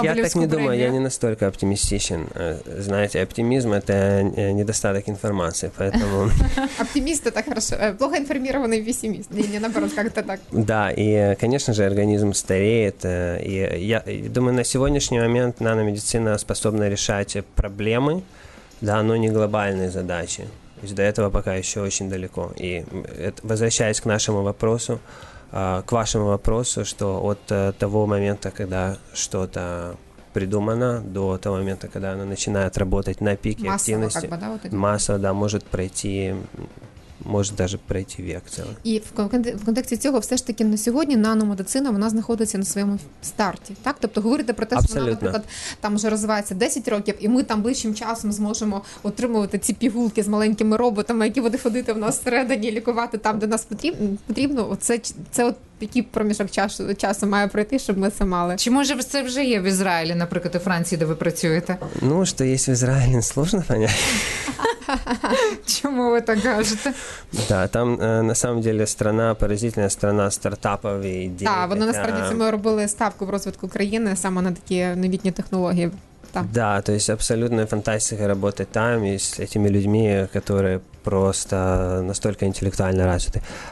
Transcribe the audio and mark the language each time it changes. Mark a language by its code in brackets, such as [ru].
[uk] премію? Я так не думаю, я не настільки оптимістичен. Знаєте, оптимізм – це недостаток інформації, поэтому... Оптимісти – так хорошо. [ru] Плохо інформірований пессиміст. Не, наоборот, как-то так. Да, і, конечно же, організм стареет. [uk] І я думаю, на сьогоднішній момент наномедицина способна рішати проблеми, да, но не глобальні задачі. [ru] То есть до этого пока еще очень далеко. И возвращаясь к нашему вопросу, к вашему вопросу, что от того момента, когда что-то придумано, до того момента, когда оно начинает работать на пике массово, активности, как бы, да, вот эти... массово, да, может пройти, може навіть пройти вік цілий. [uk] І в контексті цього все ж таки на сьогодні наномедицина, вона знаходиться на своєму старті. Так? Тобто говорити про те, абсолютно, що вона, наприклад, там вже розвивається 10 років, і ми там ближчим часом зможемо отримувати ці пігулки з маленькими роботами, які будуть ходити в нас всередині, лікувати там, де нас потрібно, це от який проміжок часу має пройти, щоб ми це мали. Чи може це вже є в Ізраїлі, наприклад, у Франції, де ви працюєте? Ну, що є в Ізраїлі, сложно понять. Чому ви так кажете? [ru] Да, там на самом деле страна, поразительна страна стартапів і ідей. [uk] Так, вони насправді цьому робили ставку в розвитку країни, саме на такі новітні технології. Так, [ru] да, то есть абсолютно фантастика работы там и с этими людьми, которые просто настолько интеллектуально развиты.